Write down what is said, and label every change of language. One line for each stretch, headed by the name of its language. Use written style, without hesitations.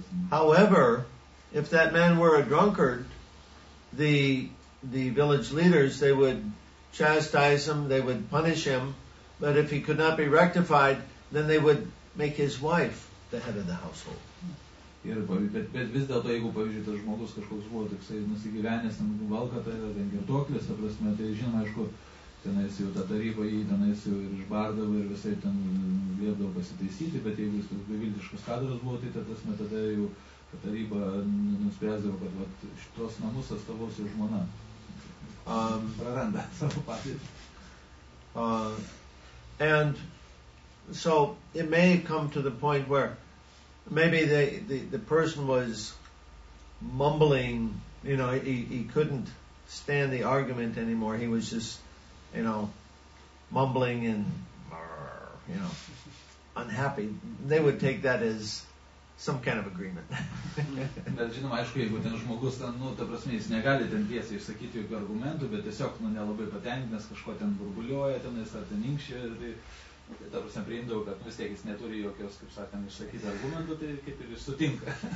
English: However, if that man were a drunkard, the village leaders, they would chastise him, they would punish him, but if he could not be rectified, then they would make his wife the head of the household.
Lithuanian: Ir, bet vis dėlto, jeigu, pavyzdžiui, tas žmogus kažkoks buvo toksai nusigyvenęs, valkata, ten girtuoklis, ta prasme, tai žinoma, aišku, tenais jau tą tarybą jį tenais jau ir išbardavo ir visai ten liepdavo pasitaisyti, bet jeigu jis toks beviltiškas kadras buvo, tai ta prasme, tada jau ta taryba nuspręsdavo, kad vat, šitos namus atstovaus jau žmona. Praranda savo patirtį.
English: And so it may come to the point where maybe the person was mumbling, you know, he couldn't stand the argument anymore. He was just, you know, mumbling and, you know, unhappy. They would take that as some kind of agreement.
Lithuanian: Bet žinoma, aišku, jeigu ten žmogus, nu, ta prasme, jis negali ten tiesiai išsakyti jokių argumentų, bet tiesiog, nu, nelabai patenkinęs, kažko ten burbuliuoja tenais ar ten inkščia. Ta prasme, priimdavau, kad vis tiek jis neturi jokios, kaip sakant, išsakyti argumentų, tai kaip ir jis sutinka.